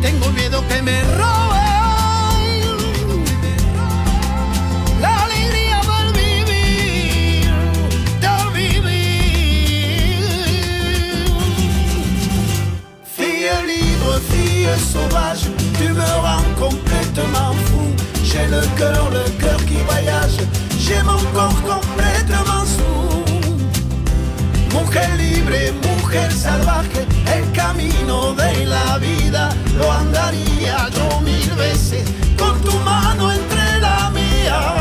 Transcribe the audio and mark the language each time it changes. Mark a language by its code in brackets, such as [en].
[es] Tengo miedo que me roben la alegría del vivir. [fr] Fille libre, fille sauvage, tu me rends complètement fou. J'ai le cœur qui voyage, j'ai mon corps complètement sous. [es] Mujer libre, mujer salvaje, el camino de la vida lo andaría yo mil veces con tu mano entre la mía.